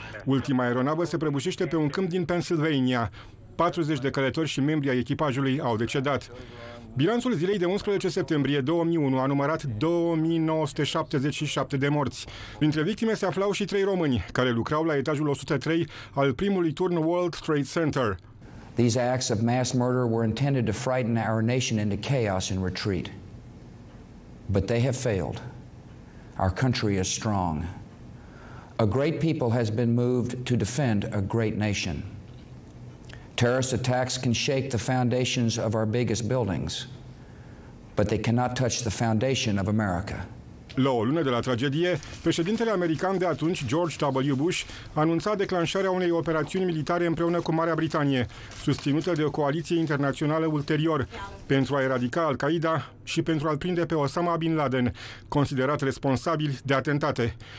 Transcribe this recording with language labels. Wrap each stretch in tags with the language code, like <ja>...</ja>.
<ro>Ultima aeronavă se prăbușește pe un câmp din Pennsylvania. 40 de călători și membri ai echipajului au decedat. Bilanțul zilei de 11 septembrie 2001 a numărat 2977 de morți. Printre victime se aflau și trei români, care lucrau la etajul 103 al primului turn World Trade Center.</ro> <en>These acts of mass murder were intended to frighten our nation into chaos and retreat. But they have failed. Our country is strong. A great people has been moved to defend a great nation. Terrorist attacks can shake the foundations of our biggest buildings, but they cannot touch the foundation of America.</en> <ro>La o lună de la tragedie, președintele american de atunci, George W. Bush, anunța declanșarea unei operațiuni militare împreună cu Marea Britanie, susținută de o coaliție internațională ulterior, pentru a eradica Al-Qaeda și pentru a-l prinde pe Osama Bin Laden, considerat responsabil de atentate.</ro>